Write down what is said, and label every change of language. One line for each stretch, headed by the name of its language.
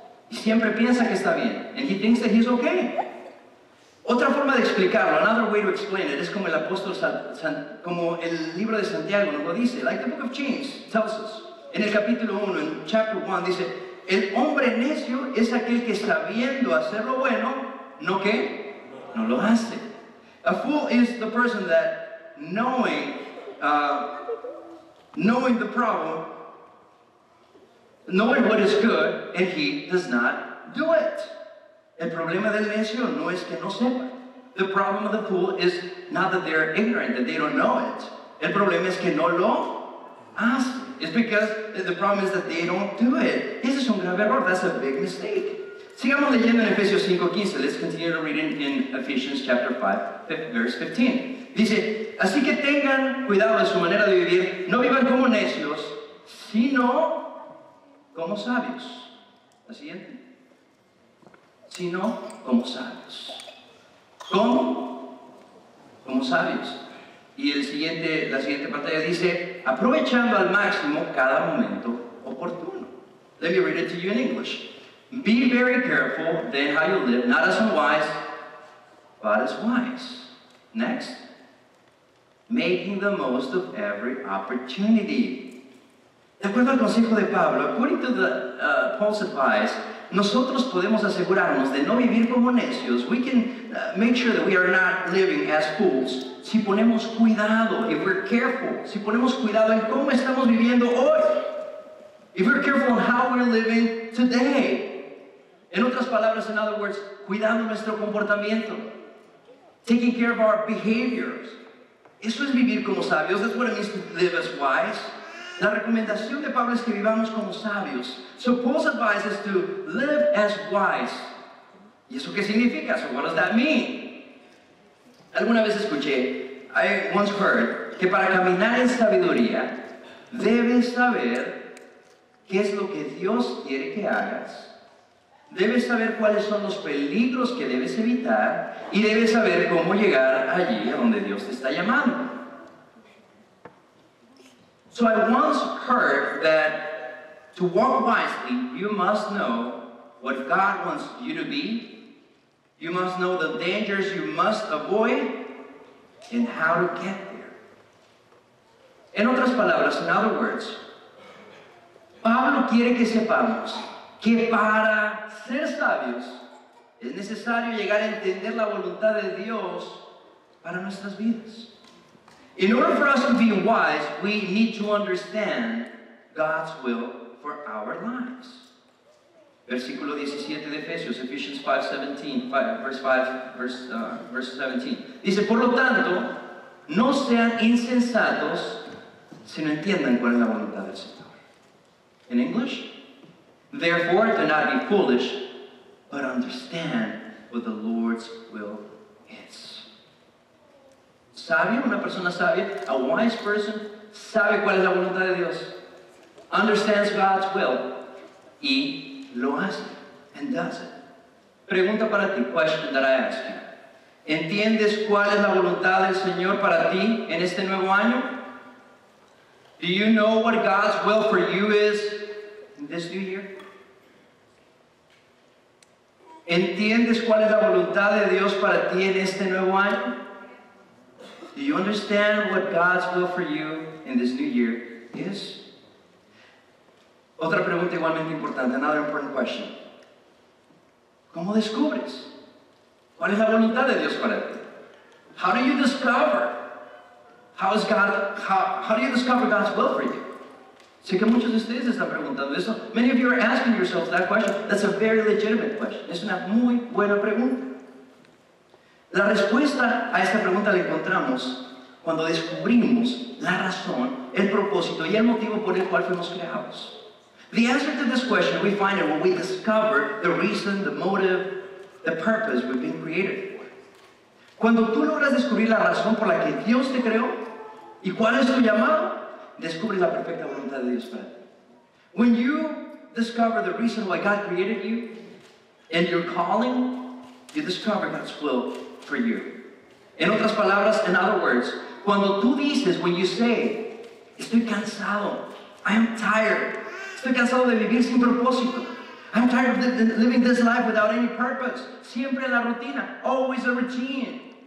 Spanish: Y siempre piensa que está bien.
English: And he thinks that he's okay.
Spanish: Otra forma de explicarlo,
English: another way to explain it,
Spanish: es como el apóstol como el libro de Santiago nos lo dice.
English: Like the book of James tells us.
Spanish: En el capítulo 1, en
English: chapter 1,
Spanish: dice, el hombre necio es aquel que sabiendo hacer lo bueno, ¿no qué? No lo hace.
English: A fool is the person that knowing the problem, knowing what is good, and he does not do it.
Spanish: El problema del necio no es que no sepa.
English: The problem of the fool is not that they are ignorant, that they don't know it.
Spanish: El problema es que no lo hace.
English: It's because the problem is that they don't do it.
Spanish: Ese es un grave error.
English: That's a big mistake.
Spanish: Sigamos leyendo en Efesios 5:15.
English: Let's continue to read in Ephesians chapter 5, verse 15.
Spanish: Dice, así que tengan cuidado de su manera de vivir. No vivan como necios, sino como sabios. La siguiente. Sino como sabios. ¿Cómo? Como sabios. Y la siguiente pantalla dice, aprovechando al máximo cada momento oportuno.
English: Let me read it to you in English. Be very careful then how you live, not as unwise, but as wise. Next. Making the most of every opportunity.
Spanish: De acuerdo al consejo de Pablo,
English: according to the, Paul's advice,
Spanish: nosotros podemos asegurarnos de no vivir como necios.
English: We can make sure that we are not living as fools.
Spanish: Si ponemos cuidado,
English: if we're careful,
Spanish: si ponemos cuidado en cómo estamos viviendo hoy,
English: if we're careful on how we're living today.
Spanish: En otras palabras,
English: in other words,
Spanish: cuidando nuestro comportamiento,
English: taking care of our behaviors.
Spanish: Eso es vivir como sabios.
English: That's what it means to live as wise.
Spanish: La recomendación de Pablo es que vivamos como sabios.
English: So Paul's advice is to live as wise.
Spanish: ¿Y eso qué significa?
English: So what does that mean?
Spanish: Alguna vez escuché,
English: I once heard,
Spanish: que para caminar en sabiduría, debes saber qué es lo que Dios quiere que hagas. Debes saber cuáles son los peligros que debes evitar y debes saber cómo llegar allí a donde Dios te está llamando.
English: So I once heard that to walk wisely, you must know what God wants you to be. You must know the dangers you must avoid and how to get there.
Spanish: En otras palabras,
English: in other words,
Spanish: Pablo quiere que sepamos que para ser sabios es necesario llegar a entender la voluntad de Dios para nuestras vidas.
English: In order for us to be wise, we need to understand God's will for our lives.
Spanish: Versículo 17 de Efesios, Ephesians 5:17. Dice, por lo tanto, no sean insensatos, sino entiendan cuál es la voluntad del Señor.
English: In English, therefore, do not be foolish, but understand what the Lord's will is.
Spanish: Sabio, una persona sabia,
English: a wise person,
Spanish: sabe cuál es la voluntad de Dios.
English: Understands God's will.
Spanish: Y lo hace.
English: And does it.
Spanish: Pregunta para ti,
English: question that I ask you.
Spanish: ¿Entiendes cuál es la voluntad del Señor para ti en este nuevo año?
English: Do you know what God's will for you is in this new year?
Spanish: ¿Entiendes cuál es la voluntad de Dios para ti en este nuevo año?
English: Do you understand what God's will for you in this new year is?
Spanish: Otra pregunta igualmente importante,
English: another important question.
Spanish: ¿Cómo descubres? ¿Cuál es la voluntad de Dios para ti?
English: How do you discover? How do you discover God's will for you?
Spanish: Sé que muchos de ustedes están preguntando eso.
English: Many of you are asking yourselves that question. That's a very legitimate question.
Spanish: Es una muy buena pregunta. La respuesta a esta pregunta la encontramos cuando descubrimos la razón, el propósito y el motivo por el cual fuimos creados.
English: The answer to this question we find it when we discover the reason, the motive, the purpose we've been created for.
Spanish: Cuando tú logras descubrir la razón por la que Dios te creó y cuál es tu llamado, descubres la perfecta voluntad de Dios para ti.
English: When you discover the reason why God created you and your calling, you discover God's will for you.
Spanish: En otras palabras,
English: in other words,
Spanish: cuando tú dices,
English: when you say,
Spanish: estoy cansado,
English: I am tired,
Spanish: estoy cansado de vivir sin propósito,
English: I'm tired of living this life without any purpose,
Spanish: siempre la rutina,
English: always a routine.